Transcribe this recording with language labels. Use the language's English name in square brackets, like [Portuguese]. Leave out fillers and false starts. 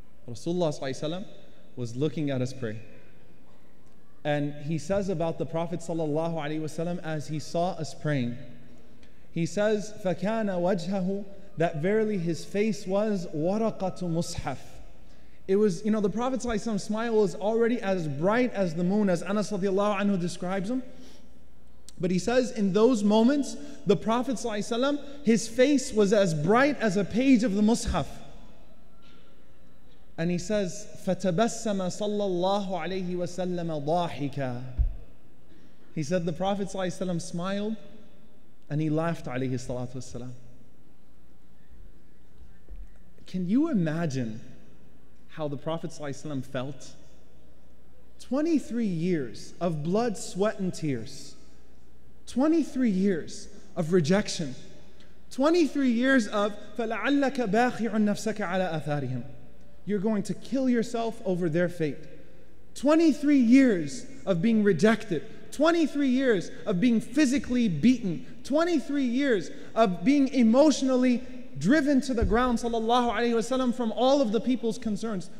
[English] Rasulullah sallallahu alayhi wasallam was looking at us pray. And he says about the Prophet sallallahu alayhi wasallam, as he saw us praying, he says, [Arabic] فَكَانَ وَجْهَهُ, [English] that verily his face was [Arabic] وَرَقَةُ مُصْحَف. [English] It was, you know, the Prophet sallallahu alayhi wasallam's smile was already as bright as the moon, as Anas radiallahu anhu describes him. But he says, in those moments, the Prophet sallallahu alayhi wasallam, his face was as bright as a page of the Mus'haf. And he says, [Arabic] فَتَبَسَّمَ صَلَّى اللَّهُ عَلَيْهِ وَسَلَّمَ ضَاحِكَ. [English] He said, the Prophet sallallahu alayhi wasallam smiled, and he laughed alayhi salatu wasalam. Can you imagine how the Prophet sallallahu alayhi wasallam felt? 23 years of blood, sweat, and tears. 23 years of rejection. 23 years of [Arabic] فَلَعَلَّكَ بَاخِعٌ نَفْسَكَ عَلَىٰ أَثَارِهِمْ. [English] You're going to kill yourself over their fate. 23 years of being rejected. 23 years of being physically beaten. 23 years of being emotionally driven to the ground, sallallahu alayhi wasallam, from all of the people's concerns.